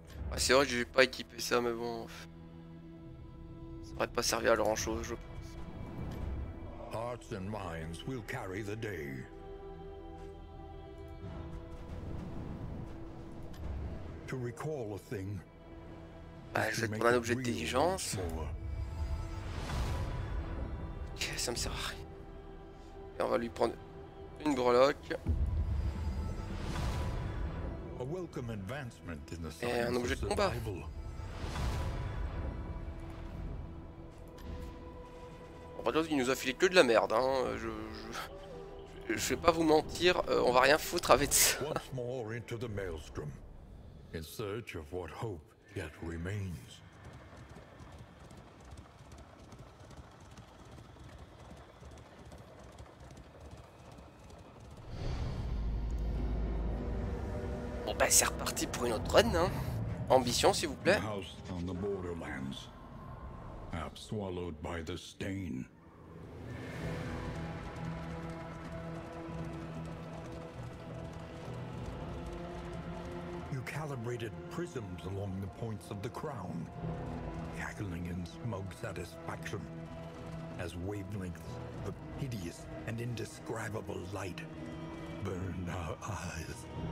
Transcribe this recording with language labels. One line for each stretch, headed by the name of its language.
French: Ouais, c'est vrai que j'ai pas équipé ça, mais bon. Pas servir à grand chose, je pense.
English: Hearts and minds will carry the day. To recall a thing.
French: Ah, je vais prendre un objet d'intelligence. Ok, ça me sert à rien. Et on va lui prendre une breloque.
English: A welcome advancement in the
French: science. Et un objet de combat. Il nous a filé que de la merde, hein. Je vais pas vous mentir, on va rien foutre avec ça.
English: Once more into the maelstrom, in search of what hope yet remains.
French: Bon bah c'est reparti pour une autre run, hein. Ambition, s'il vous plaît.
English: House on the borderlands, swallowed by the stain. You calibrated prisms along the points of the crown, cackling in smug satisfaction as wavelengths of hideous and indescribable light burned our eyes.